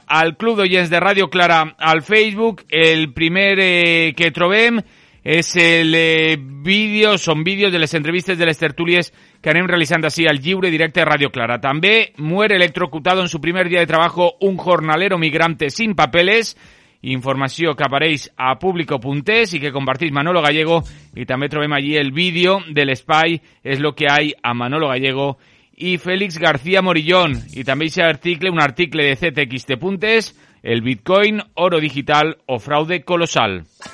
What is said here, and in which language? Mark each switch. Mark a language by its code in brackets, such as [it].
[ca] Al Club d'Oients de Radio Clara al Facebook, el primer que trobem és el vídeo, són vídeos de les entrevistes de les tertúlies que anem realitzant així al lliure directe de Radio Clara. [es] També muere electrocutado en su primer día de trabajo un jornalero migrante sin papeles. [ca] Informació que apareix a público.es i que compartís Manolo Gallego. I també trobem allí el vídeo de l'espai és lo que hay a Manolo Gallego y Félix García Morillón. [es] Y también ese article, un article de CTXT.es, el Bitcoin, oro digital o fraude colosal.